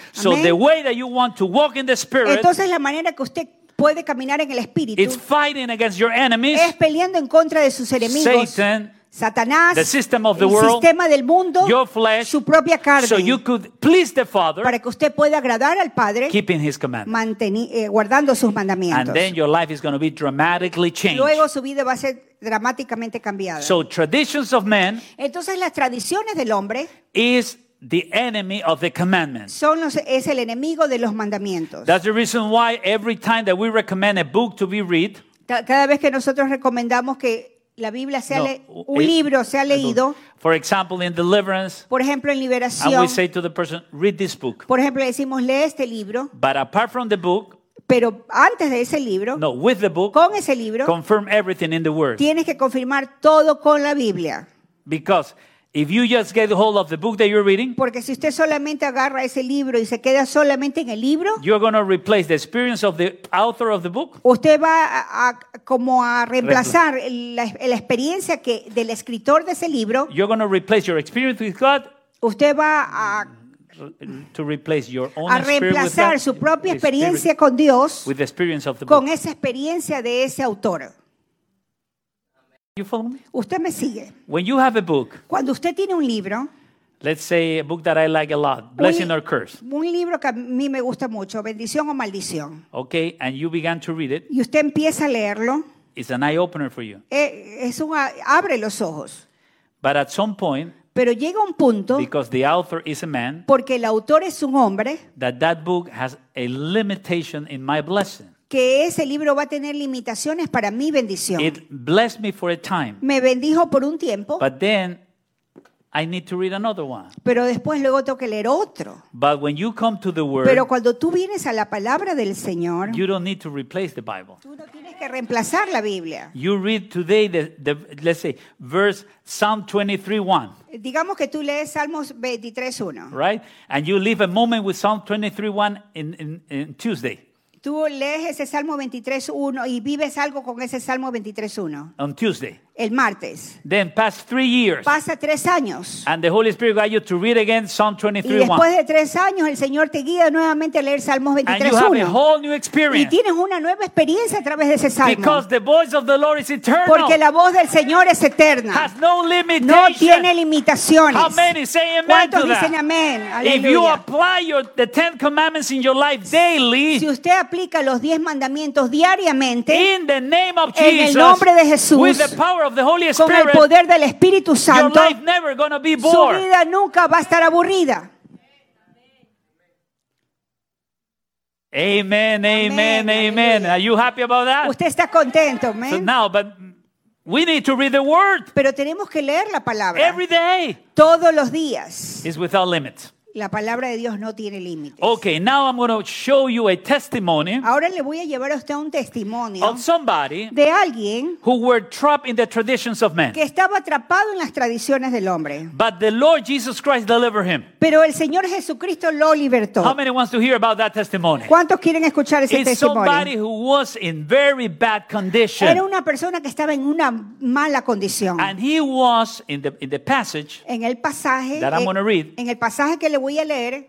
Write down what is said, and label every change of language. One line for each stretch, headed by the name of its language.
English: So Amen. The way that you want to walk in the Spirit.
Spanish: Entonces la manera que usted puede caminar en el Espíritu.
English: It's fighting against your enemies.
Spanish: Es peleando en contra de sus enemigos.
English: Satan.
Spanish: Satanás.
English: The system of the world.
Spanish: El sistema del mundo.
English: Your flesh.
Spanish: Su propia carne.
English: So you could please the Father.
Spanish: Para que usted pueda agradar al Padre.
English: Keeping His commandments.
Spanish: Guardando sus mandamientos.
English: And then your life is going to be dramatically changed.
Spanish: Luego su vida va a ser dramáticamente cambiada.
English: So traditions of men.
Spanish: Entonces las tradiciones del hombre.
English: Is the enemy of the commandments.
Spanish: Es el enemigo de los mandamientos.
English: That's the reason why every time that we recommend a book to be read.
Spanish: Cada vez que nosotros recomendamos que la Biblia sea un libro sea leído.
English: For example, in Deliverance.
Spanish: Por ejemplo, en Liberación.
English: And we say to the person, read this book.
Spanish: Por ejemplo, decimos, lee este libro.
English: But apart from the book.
Spanish: Pero antes de ese libro.
English: No, with the book.
Spanish: Con ese libro.
English: Confirm everything in the Word.
Spanish: Tienes que confirmar todo con la Biblia.
English: Because if you just get hold of the book that you're reading,
Spanish: porque si usted solamente agarra ese libro y se queda solamente en el libro,
English: you're going to replace the experience of the author of the book.
Spanish: Usted va a reemplazar la experiencia que del escritor de ese libro.
English: You're going to replace your experience with God.
Spanish: Usted va
English: to replace your own
Spanish: a reemplazar
English: with God,
Spanish: su propia experiencia con Dios
English: with the experience of the
Spanish: con
English: book.
Spanish: Esa experiencia de ese autor.
English: You follow me?
Spanish: Usted me sigue.
English: When you have a book,
Spanish: cuando usted tiene un libro,
English: let's say a book that I like a lot, blessing or curse.
Spanish: Un libro que a mí me gusta mucho, bendición o maldición.
English: Okay, and you began to read it.
Spanish: Y usted empieza a leerlo.
English: It's an eye opener for you.
Spanish: Abre los ojos.
English: But at some point,
Spanish: pero llega un punto,
English: because the author is a man,
Spanish: porque el autor es un hombre,
English: that book has a limitation in my blessing.
Spanish: Que ese libro va a tener limitaciones para mi bendición.
English: It blessed me for a time.
Spanish: Me bendijo por un tiempo.
English: But then I need to read another one.
Spanish: Pero después luego tengo que leer otro.
English: But when you come to the word,
Spanish: pero cuando tú vienes a la palabra del Señor,
English: you don't need to replace the Bible.
Spanish: Tú no tienes que reemplazar la Biblia.
English: You read today the let's say verse Psalm 23:1.
Spanish: Digamos que tú lees Salmos 23:1.
English: Right? And you leave a moment with Psalm 23:1 in Tuesday.
Spanish: Tú lees ese Salmo 23:1 y vives algo con ese Salmo 23:1.
English: On Tuesday.
Spanish: El martes.
English: Then pass 3 years.
Spanish: Pasa 3 años.
English: And the Holy Spirit guides you to read again Psalm 23:1.
Spanish: Y después de 3 años, el Señor te guía nuevamente a leer Salmos 23:1.
English: And you have a whole new experience.
Spanish: Y tienes una nueva experiencia a través de ese Salmo.
English: Because the voice of the Lord is eternal.
Spanish: Porque la voz del Señor es eterna.
English: Has no limitation.
Spanish: No tiene limitaciones.
English: How many say amen to that?
Spanish: ¿Cuántos dicen amén? Aleluya.
English: If you apply the Ten Commandments in your life daily.
Spanish: Si usted aplica los 10 mandamientos diariamente.
English: In the name of Jesus.
Spanish: En el nombre de Jesús.
English: With the power of the Holy Spirit,
Spanish: con el poder del Espíritu Santo,
English: your life never gonna be bored.
Spanish: Su vida nunca va a estar aburrida.
English: Amen, amen, amen. Are you happy about that?
Spanish: Usted está contento, amen.
English: So now, but we need to read the Word.
Spanish: Pero tenemos que leer la palabra.
English: Every day.
Spanish: Todos los días.
English: It's without limits.
Spanish: La palabra de Dios no tiene límites.
English: Okay, now I'm going to show you a testimony.
Spanish: Ahora le voy a llevar a usted un testimonio.
English: Of somebody.
Spanish: De alguien.
English: Who were trapped in the traditions of men.
Spanish: Que estaba atrapado en las tradiciones del hombre.
English: But the Lord Jesus Christ delivered him.
Spanish: Pero el Señor Jesucristo lo libertó.
English: How many wants to hear about that testimony?
Spanish: ¿Cuántos quieren escuchar ese testimonio?
English: It's somebody who was in very bad condition.
Spanish: Era una persona que estaba en una mala condición.
English: And he was in the passage.
Spanish: En el pasaje.
English: That I'm going to read.
Spanish: En el pasaje que le voy a leer.